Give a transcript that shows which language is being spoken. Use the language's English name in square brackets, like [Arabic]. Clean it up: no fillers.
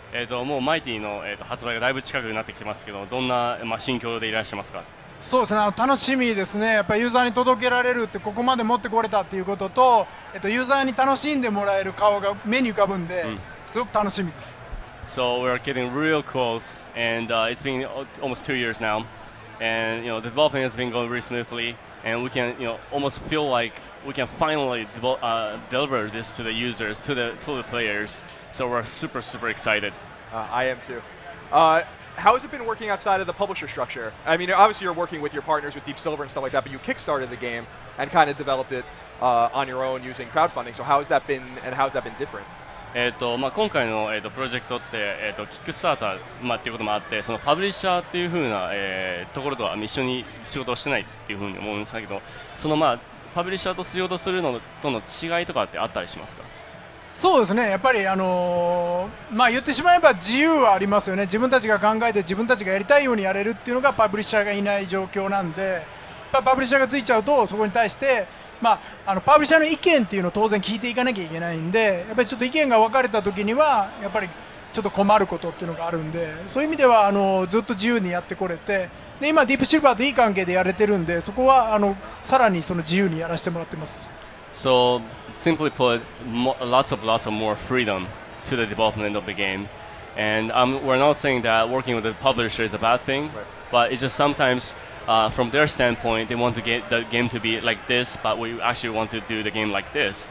[Japanese] もうマイティの発売がだいぶ近くになってきますけど、どんな心境でいらっしゃいますか？そうですね、楽しみですね。やっぱりユーザーに届けられるってここまで持ってこれたっていうことと、ユーザーに楽しんでもらえる顔が目に浮かぶんで、すごく楽しみです。 [English] So we're getting real close, and it's been almost 2 years now, and you know, the development has been going really smoothly, and we can, you know, almost feel like we can finally deliver this to the users, to the players. So we're super, super excited. I am too. How has it been working outside of the publisher structure? I mean, obviously you're working with your partners with Deep Silver and stuff like that, but you kickstarted the game and kind of developed it on your own using crowdfunding. So how has that been, and how has that been different? [Japanese] まあ、今回の、プロジェクトって、キックスターター、まあ、っていうこともあって、そのパブリッシャーっていうふうな、ところとは一緒に仕事をしてないっていうふうに思うんですけど、その、まあ、パブリッシャーと仕事するのとの違いとかってあったりしますか？そうですね、やっぱり、まあ、言ってしまえば自由はありますよね。自分たちが考えて自分たちがやりたいようにやれるっていうのがパブリッシャーがいない状況なんで、パブリッシャーがついちゃうとそこに対して、まあ、パブリッシャーの意見っていうのを当然聞いていかなきゃいけないんで、やっぱりちょっと意見が分かれた時にはやっぱりちょっと困ることっていうのがあるんで、そういう意味ではずっと自由にやってこれて、で今ディープシルバーといい関係でやれてるんで、そこはさらにその自由にやらせてもらってます。 [English] So simply put, lots of more freedom to the development of the game, and we're not saying that working with the publisher is a bad thing, but it's just sometimesfrom their standpoint, they want to get the game to be like this, but we actually want to do the game like this.